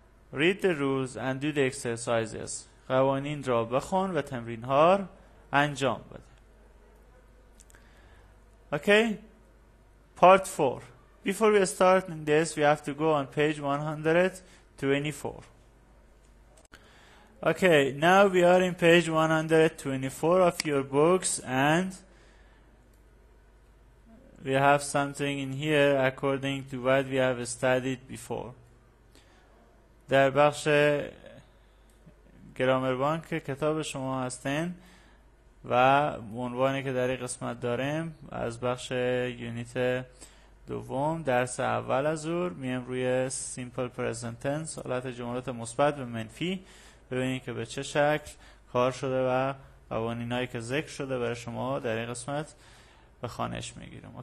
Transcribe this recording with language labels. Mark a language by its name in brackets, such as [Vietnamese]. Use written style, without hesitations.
[English] Read the rules and do the exercises. [Persian] قوانین را بخون و تمرین ها را انجام بده. [English] Okay, part 4. Before we start in this, we have to go on page 124. Okay, now we are in page 124 of your books and we have something in here according to what we have studied before. [Persian] در بخش گرامر بانک کتاب شما هستین و عنوانی که در این قسمت داریم از بخش یونیت دوم درس اول از اور میام روی simple present tense، حالت جملات مثبت به منفی، ببینید که به چه شکل کار شده و قوانین هایی که ذکر شده برای شما در این قسمت به خانش میگیرم.